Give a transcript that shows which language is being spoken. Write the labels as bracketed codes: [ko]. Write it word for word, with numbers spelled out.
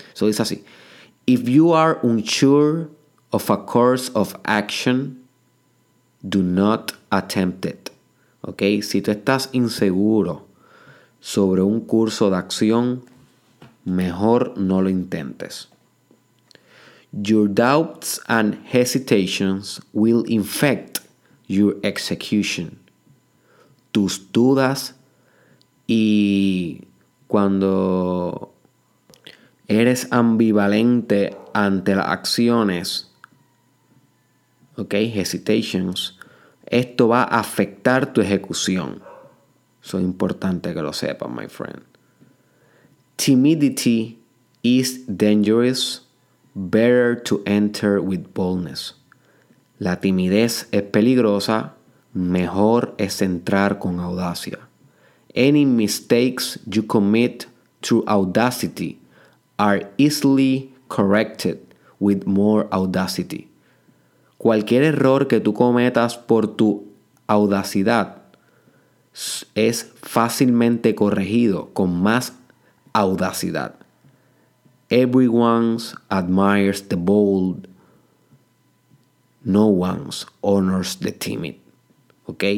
[en] So [es] dice así, [en] if you are unsure of a course of action, do not attempt it. Okay? [es] Si tú estás inseguro sobre un curso de acción, mejor no lo intentes. [en] Your doubts and hesitations will infect your execution. [es] Tus dudas y cuando eres ambivalente ante las acciones, ok, hesitations, esto va a afectar tu ejecución. Eso es importante que lo sepas, [en] my friend. Timidity is dangerous. Better to enter with boldness. [es] La timidez es peligrosa, mejor es entrar con audacia. [en] Any mistakes you commit through audacity are easily corrected with more audacity. [es] Cualquier error que tú cometas por tu audacidad es fácilmente corregido con más audacidad. [en] Everyone admires the bold. No one honors the timid. ¿Ok?